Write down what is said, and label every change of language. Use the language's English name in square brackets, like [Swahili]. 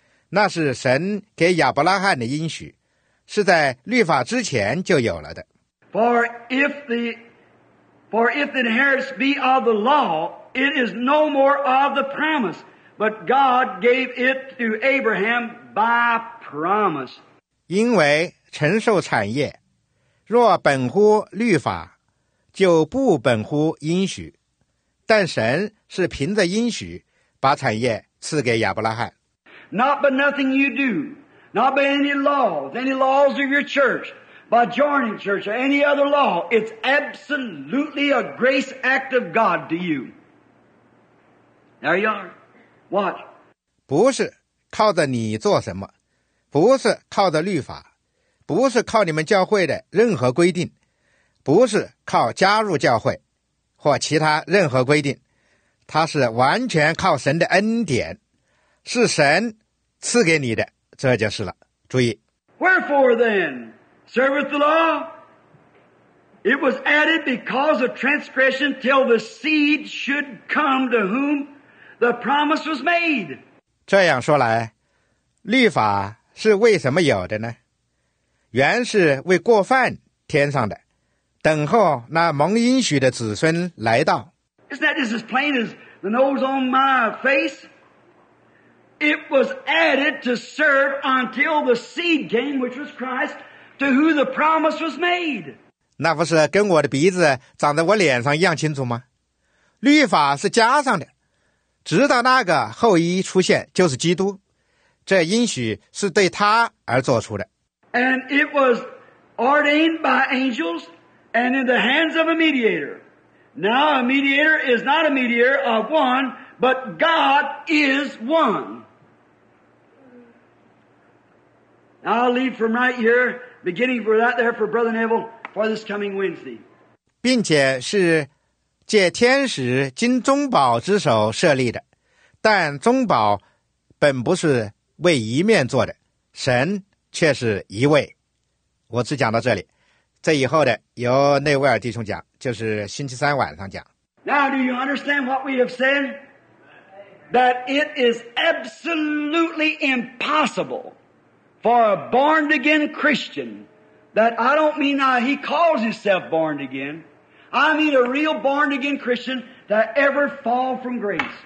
[Chinese] 那是神给亚伯拉罕的应许，是在律法之前就有了的。 [English] For if the inheritance be of the law, it is no more of the promise, but God gave it to Abraham by promise. [Chinese] 因为承受产业，若本乎律法，就不本乎应许。但神是凭着应许，把产业赐给亚伯拉罕。 [English] Not by nothing you do, not by any laws of your church. By joining church or any other law, it's absolutely a grace act of God to you. There you are. Watch. [Chinese] 不是靠着你做什么，不是靠着律法，不是靠你们教会的任何规定，不是靠加入教会或其他任何规定，它是完全靠神的恩典，是神赐给你的，这就是了。注意。 [English] Wherefore then? Serveth the law? It was added because of transgression till the seed should come to whom the promise was made. [Chinese] 这样说来，律法是为什么有的呢？原是为过犯添上的，等候那蒙应许的子孙来到。 [English] Isn't that just as plain as the nose on my face? It was added to serve until the seed came, which was Christ. To who the promise was made. [Chinese] 那不是跟我的鼻子长在我脸上一样清楚吗？律法是加上的，直到那个后裔出现，就是基督，这应许是对他而做出的。 [English] And it was ordained by angels and in the hands of a mediator. Now a mediator is not a mediator of one, but God is one. Now I'll leave from right here. Beginning for that there for Brother Neville for this coming Wednesday. [Chinese] 并且是借天使经中保之手设立的，但中保本不是为一面做的，神却是一位。我只讲到这里，这以后的由内维尔弟兄讲，就是星期三晚上讲。 [English] Now do you understand what we have said? That it is absolutely impossible. For a born-again Christian, that I don't mean now he calls himself born-again, I mean a real born-again Christian that ever fall from grace.